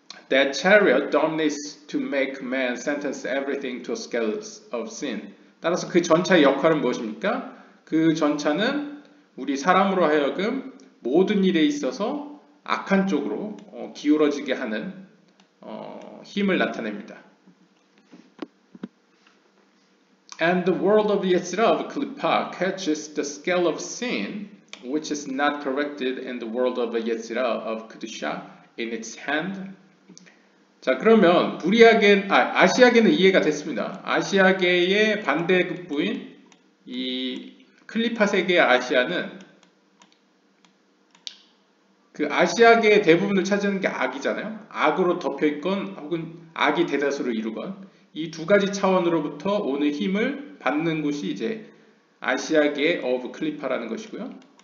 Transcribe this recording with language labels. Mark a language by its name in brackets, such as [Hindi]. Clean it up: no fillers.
[English] That chariot dominates to make man sentence everything to a scale of sin. [Korean] 따라서 그 전차의 역할은 무엇입니까? 그 전차는 우리 사람으로 하여금 모든 일에 있어서 악한 쪽으로 기울어지게 하는 힘을 나타냅니다. [English] And the world of Yetzirah of Klipa catches the scale of sin, which is not corrected in the world of Yetzirah of Kedusha in its hand. [Korean] 자, 그러면 아시아계는 이해가 됐습니다. 아시아계의 반대급부인 이 클리파 세계의 아시아는 그 아시아계의 대부분을 차지하는 게 악이잖아요. 악으로 덮여 있건 혹은 악이 대다수를 이루건 이 두 가지 차원으로부터 오는 힘을 받는 곳이 이제 아시아계 of 클리파라는 것이고요.